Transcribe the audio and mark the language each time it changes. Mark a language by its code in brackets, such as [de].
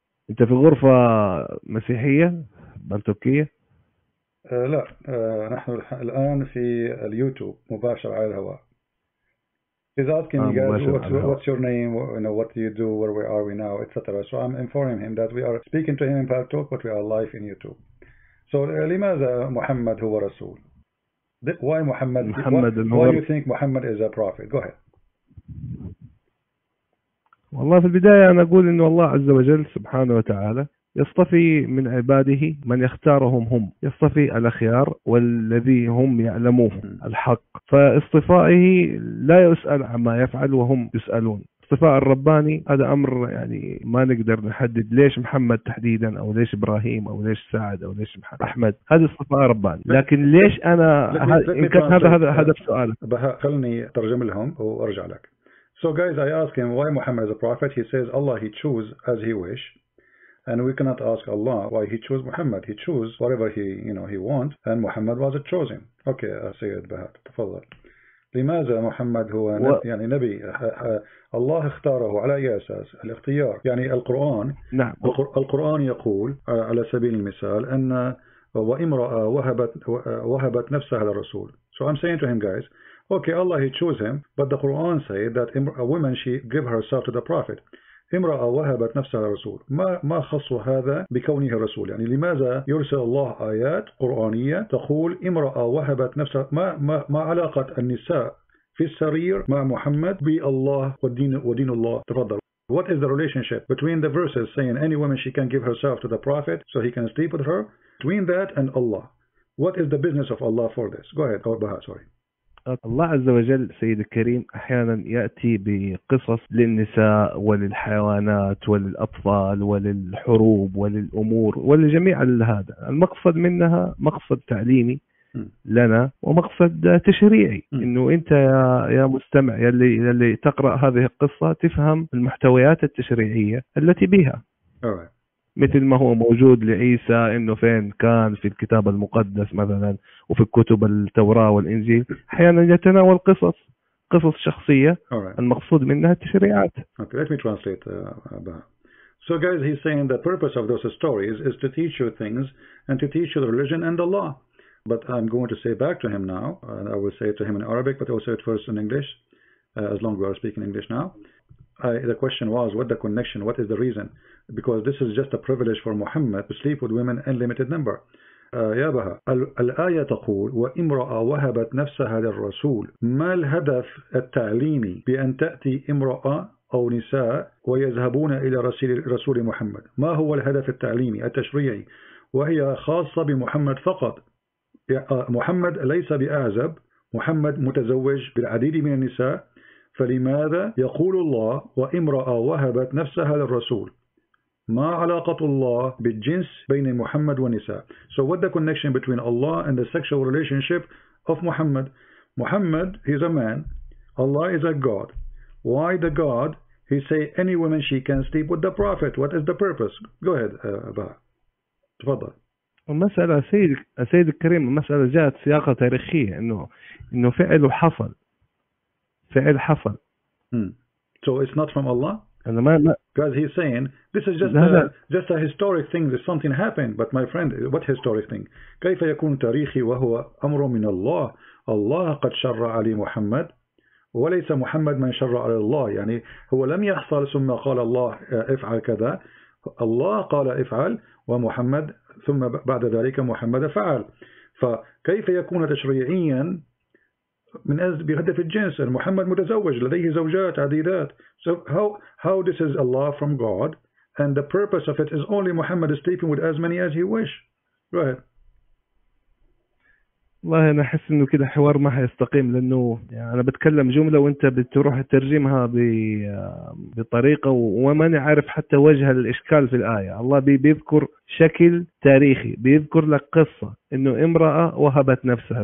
[ar] انت في غرفه مسيحيه بالتوكيه لا نحن الان في اليوتيوب مباشر على الهواء [en] He's asking you guys, what's your name, you know, what do you do, where are we now, etc. So I'm informing him that we are speaking to him in Paltalk, but we are live in YouTube. [ar] So, لماذا محمد هو رسول? [en] Why Muhammad? Why do you think Muhammad is a prophet? Go ahead. [ar] والله في البداية أنا أقول إنه الله عز وجل سبحانه وتعالى يصطفي من عباده من يختارهم هم يصطفي الأخيار والذي هم يعلموه الحق فاصطفائه لا يسأل عما يفعل وهم يسألون اصطفاء الرباني هذا أمر يعني ما نقدر نحدد ليش محمد تحديدا أو ليش إبراهيم أو ليش سعد أو ليش أحمد هذا اصطفاء رباني لكن ليش أنا هذا السؤال خلني ترجم لهم وأرجع لك [en] So guys I ask him why Muhammad is a prophet He says Allah he choose as he wish And we cannot ask Allah why he chose Muhammad. He chose whatever he wants. And Muhammad was a chosen. Okay, Sayyid Bahat, تفضل. [ar] لماذا محمد هو يعني نبي؟ الله اختاره على أي أساس؟ الاختيار. يعني القرآن. نعم. القرآن يقول على سبيل المثال أن وامرأة وهبت نفسها للرسول. [en] So I'm saying to him guys, okay, Allah he chose him. But the Quran said that a woman she give herself to the prophet. [ar] امرأة وهبت نفسها رسول ما خص هذا بكونه رسول يعني لماذا يرسل الله آيات قرآنية تقول امرأة وهبت نفسها ما علاقة النساء في السرير مع محمد بالله ودين الله تفضل [en] What is the relationship between the verses saying any woman she can give herself to the prophet so he can sleep with her between that and Allah What is the business of Allah for this Go ahead or Baha sorry [ar] الله عز وجل سيد الكريم أحيانا يأتي بقصص للنساء وللحيوانات وللأطفال وللحروب وللأمور ولجميع هذا المقصد منها مقصد تعليمي لنا ومقصد تشريعي إنه أنت يا مستمع يلي تقرأ هذه القصة تفهم المحتويات التشريعية التي بها مثل ما هو موجود لعيسى إنه فين كان في الكتاب المقدس مثلا وفي كتب التوراة والإنجيل أحيانا يتناول قصص قصص شخصية [en] Alright. [ar] المقصود منها تشريعات. [en] Okay, let me translate Abba. So guys, he's saying the purpose of those stories is to teach you things and to teach you the religion and the law. But I'm going to say back to him now, and I will say it to him in Arabic, but also at first in English, as long as we are speaking English now. The question was, what the connection, what is the reason? Because this is just a privilege for Muhammad to sleep with women in limited number. [ar] يا بها الآية تقول وإمرأة وهبت نفسها للرسول ما الهدف التعليمي بأن تأتي إمرأة أو نساء ويذهبون إلى رسول محمد ما هو الهدف التعليمي التشريعي وهي خاصة بمحمد فقط محمد ليس بأعزب محمد متزوج بالعديد من النساء فلماذا يقول الله وإمرأة وهبت نفسها للرسول ما علاقة الله بالجنس بين محمد ونساء [en] So what the connection between Allah and the sexual relationship of Muhammad Muhammad he's a man Allah is a God Why the God he say any woman she can sleep with the prophet What is the purpose Go ahead Abba تفضل [ar] المسألة سيد الكريم المسألة جاءت سياقة تاريخية إنه فعل حصل فعل حصل [en] So it's not from Allah Because he's saying this is just a historic thing. That something happened, but my friend, what historic thing? [ar] كيف يكون تاريخي وهو أمر من الله؟ الله قد شرع على محمد وليس محمد من شرع على الله. يعني هو لم يحصل ثم قال الله افعل كذا. الله قال افعل ومحمد ثم بعد ذلك محمد فعل. فكيف يكون تشريعيا من أجل بهدف الجنس؟ محمد متزوج لديه زوجات عديدات. [en] So how this is Allah from God and the purpose of it is only Muhammad is sleeping with as many as he wish. Go ahead. [ar] والله أنا أحس إنه كده حوار ما هيستقيم لأنه يعني أنا بتكلم جملة وأنت بتروح ترجمها بطريقة وما نعرف حتى وجه الإشكال في الآية. الله بيذكر شكل تاريخي بيذكر لك قصة إنه امرأة وهبت نفسها.